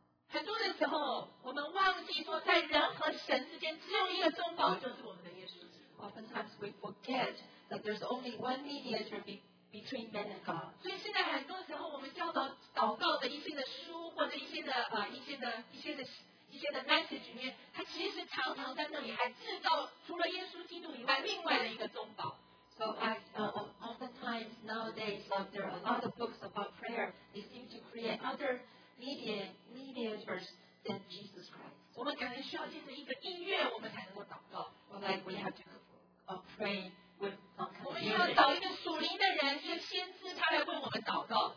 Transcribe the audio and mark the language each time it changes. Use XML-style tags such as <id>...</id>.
<zh>很多的时候我们忘记说在人和神之间只有一个中保就是我们的耶稣</zh> <en>oftentimes we forget that there's only one mediator between men and God.</en> <zh>所以现在很多时候我们教导祷告的一些的书或者一些的 message 里面，它其实常常在那里还制造除了耶稣基督以外另外的一个中保。</zh> <en>So oftentimes nowadays there are a lot of books about prayer. They seem to create other mediators than Jesus Christ.</en> <zh>我们可能需要借着一个音乐，我们才能够祷告。</zh> <en>Well, like we have to pray.</en> <zh>我们要找一个属灵的人，一个先知，他来为我们祷告。</zh>